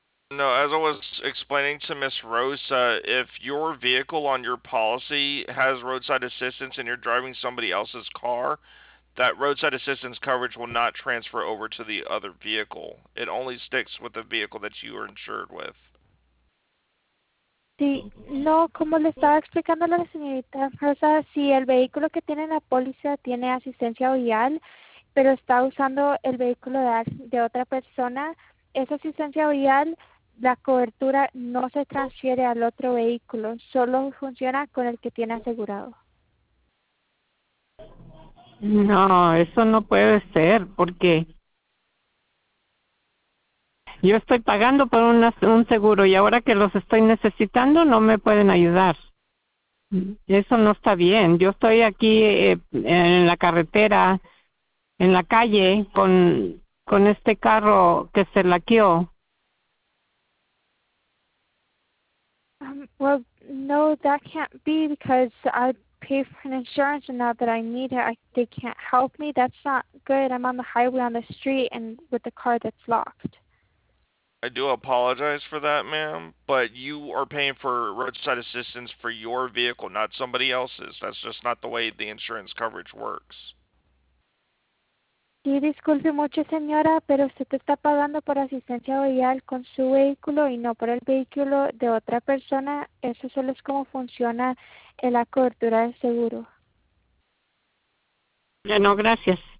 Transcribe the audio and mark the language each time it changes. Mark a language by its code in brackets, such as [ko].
[en] No, as I was explaining to Miss Rosa, if your vehicle on your policy has roadside assistance and you're driving somebody else's car, that roadside assistance coverage will not transfer over to the other vehicle. It only sticks with the vehicle that you are insured with. [es] Sí, no, como le estaba explicando a la señorita Rosa, sí, el vehículo que tiene la póliza tiene asistencia vial, pero está usando el vehículo de otra persona, esa asistencia vial, la cobertura no se transfiere al otro vehículo, solo funciona con el que tiene asegurado. No, eso no puede ser, porque yo estoy pagando por un seguro y ahora que los estoy necesitando no me pueden ayudar. Eso no está bien. Yo estoy aquí en la carretera, en la calle, con este carro que se laqueó. [en] Well, no, that can't be because I pay for an insurance, and now that I need it, they can't help me. That's not good. I'm on the highway on the street and with a car that's locked. I do apologize for that, ma'am, but you are paying for roadside assistance for your vehicle, not somebody else's. That's just not the way the insurance coverage works. [es] Sí, disculpe mucho, señora, pero usted está pagando por asistencia vial con su vehículo y no por el vehículo de otra persona. Eso solo es cómo funciona en la cobertura del seguro. No, gracias.